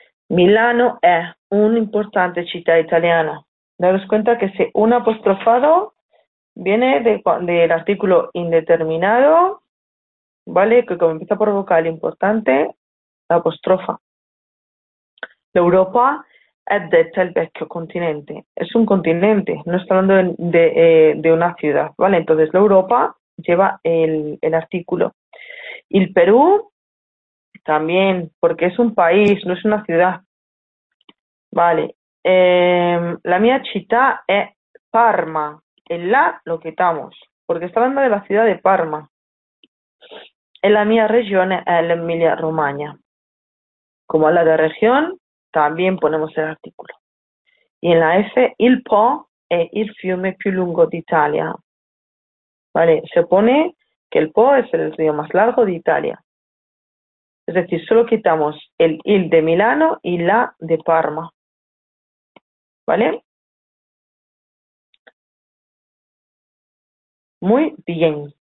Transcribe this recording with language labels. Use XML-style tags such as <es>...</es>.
<it>Milano es una importante città italiana.</it> <es>Daros cuenta que si un apostrofado viene del artículo indeterminado, ¿vale? Que como empieza por vocal importante, la apostrofa.</es> <it>L'Europa è detta il vecchio continente.</it> <es>Es un continente, no está hablando de una ciudad, ¿vale? Entonces, l'Europa lleva el artículo. Il Perù también, porque es un país, no es una ciudad.</es> <it>Vale, la mia città è Parma.</it> <es>El la lo quitamos, porque está hablando de la ciudad de Parma.</es> <it>En la mia regione è l'Emilia Romagna.</it> <es>Como habla de región, también ponemos el artículo.</es> <it>Y en la F, il Po è il fiume più lungo d'Italia.</it> <es>Vale, se pone que el Po es el río más largo de Italia. Es decir, solo quitamos el il de Milano y la de Parma. ¿Vale? Muy bien.</es>